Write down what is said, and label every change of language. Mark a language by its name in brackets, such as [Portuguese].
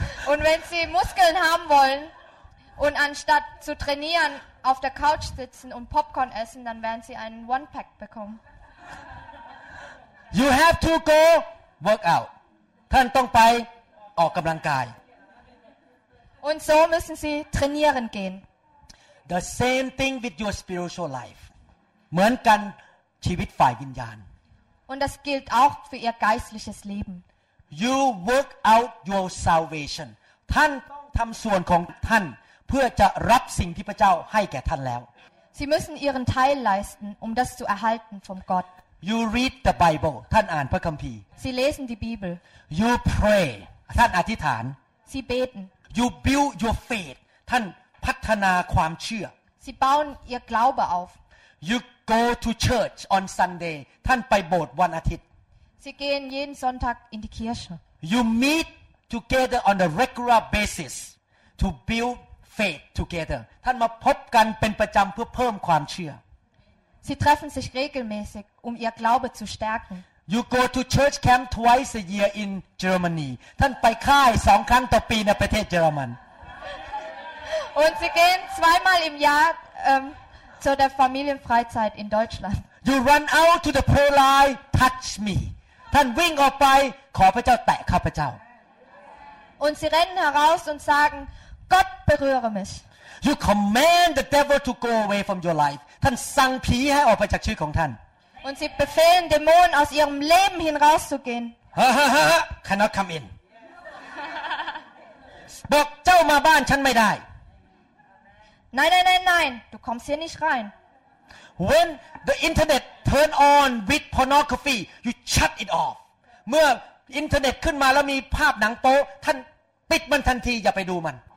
[German] Und wenn Sie Muskeln haben wollen und anstatt zu trainieren auf der Couch sitzen und Popcorn essen, dann werden Sie einen One-Pack bekommen. [English] You have to go work out. [Thai] ท่านต้องไปออกกำลังกาย [German] Und so müssen Sie trainieren gehen. [English] The same thing with your spiritual life. [Thai] เหมือนกันชีวิตฝ่ายวิญญาณ [German] Und das gilt auch für ihr geistliches Leben. [English] You work out your salvation. [Thai] ท่านต้องทำส่วนของท่านเพื่อจะรับสิ่งที่พระเจ้าให้แก่ท่านแล้ว [German] Sie müssen ihren Teil leisten, um das zu erhalten vom Gott. [English] You read the Bible. [Thai] ท่านอ่านพระคัมภีร์ [German] Sie lesen die Bibel. [English] You pray. [Thai] ท่านอธิษฐาน [German] Sie beten. [English] You build your faith. [Thai] ท่านพัฒนาความเชื่อ [German] Sie bauen ihr Glaube auf. [English] You go to church on Sunday. [Thai] ท่านไปโบสถ์วันอาทิตย์ [German] Sie gehen jeden Sonntag in die Kirche. [English] You meet together on a regular basis to build faith together. [Thai] ท่านมาพบกันเป็นประจำเพื่อเพิ่มความเชื่อ [German] Sie treffen sich regelmäßig, um ihr Glaube zu stärken. [English] You go to church camp twice a year in Germany. [Thai] ท่านไปค่ายสองครั้งต่อปีในประเทศเยอรมัน [German] Und sie gehen zweimal im Jahr zu der Familienfreizeit in Deutschland. [English] You run out to the prayer line, touch me. [Thai] ท่านวิ่งออกไปขอพระเจ้าแตะข้าพเจ้า [German] Und sie rennen heraus und sagen, Gott berühre mich. [English] You command the devil to go away from your life. [Thai] ท่านสั่งผีให้ออกไปจากชีวิตของท่าน [German] Und sie befehlen Dämonen aus ihrem Leben hinauszugehen. [English] Cannot come in. [Thai] บอกเจ้ามาบ้านฉันไม่ได้ [German] Nein, nein, nein, nein, du kommst hier nicht rein. [English] When the internet turn on with pornography, you shut it off. [Thai] เมื่อ internet ขึ้นมาแล้วมีภาพหนังโป๊ท่านปิดมันทันทีอย่าไปดูมัน